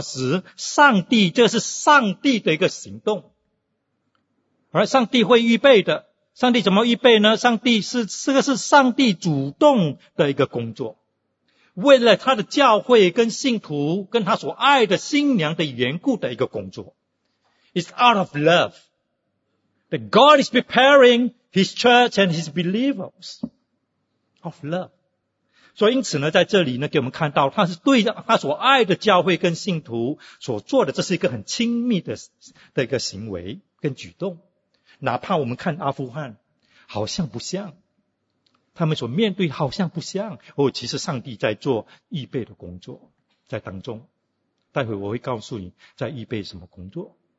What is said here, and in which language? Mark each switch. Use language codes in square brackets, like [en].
[zh] 指上帝，这是上帝的一个行动 ， [en] alright, [zh] 上帝会预备的。上帝怎么预备呢？上帝是这个是上帝主动的一个工作，为了他的教会跟信徒跟他所爱的新娘的缘故的一个工作。 [en] It's out of love that God is preparing His church and His believers of love. [zh] 所以因此呢，在这里呢，给我们看到他是对他所爱的教会跟信徒所做的，这是一个很亲密的一个行为跟举动。哪怕我们看阿富汗好像不像，他们所面对好像不像，哦，其实上帝在做预备的工作在当中，待会我会告诉你在预备什么工作。